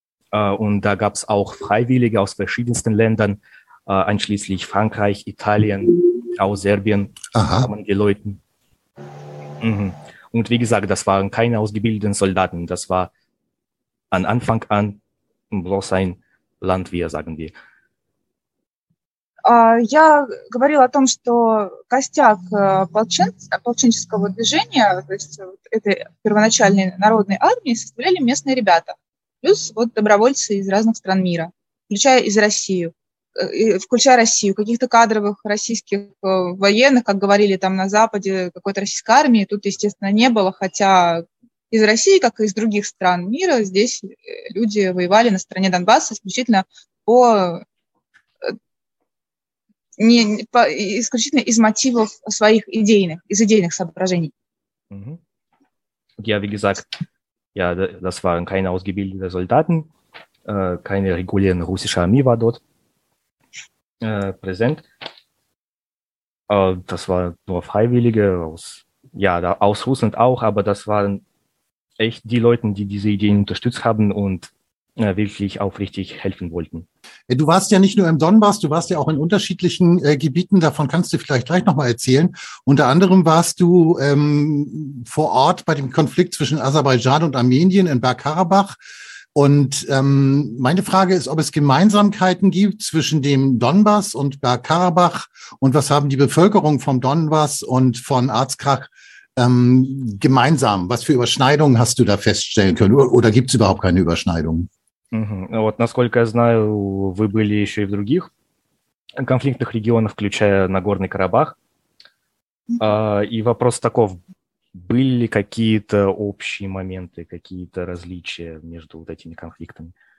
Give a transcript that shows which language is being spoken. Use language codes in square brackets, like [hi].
[de] Und da gab es auch Freiwillige aus verschiedensten Ländern, einschließlich Frankreich, Italien, auch Serbien, kamen die Leute. Und wie gesagt, das waren keine ausgebildeten Soldaten. Das war an Anfang an bloß ein Landwehr, sagen wir. [ru] Я говорила о том, что костяк ополченческого движения, то есть вот этой первоначальной народной армии, составляли местные ребята, плюс вот добровольцы из разных стран мира, включая Россию, каких-то кадровых российских военных, как говорили там на Западе, какой-то российской армии тут, естественно, не было, хотя из России, как и из других стран мира, здесь люди воевали на стороне Донбасса исключительно по... исключительно из мотивов своих идейных, из идейных соображений. Mm-hmm. [de] Ja, wie gesagt, ja, das waren keine ausgebildeten Soldaten, keine regulären russische Armee war dort präsent. Das waren nur Freiwillige aus Russland auch, aber das waren echt die Leute, die diese Ideen unterstützt haben und wirklich aufrichtig helfen wollten. Du warst ja nicht nur im Donbass, du warst ja auch in unterschiedlichen Gebieten, davon kannst du vielleicht gleich nochmal erzählen. Unter anderem warst du vor Ort bei dem Konflikt zwischen Aserbaidschan und Armenien in Bergkarabach. Und meine Frage ist, ob es Gemeinsamkeiten gibt zwischen dem Donbass und Bergkarabach und was haben die Bevölkerung vom Donbass und von Artsakh gemeinsam? Was für Überschneidungen hast du da feststellen können? Oder gibt es überhaupt keine Überschneidungen? Угу. [ru] Вот, насколько я знаю, вы были еще и в других конфликтных регионах, включая Нагорный Карабах. И вопрос таков, были ли какие-то общие моменты, какие-то различия между вот этими конфликтами?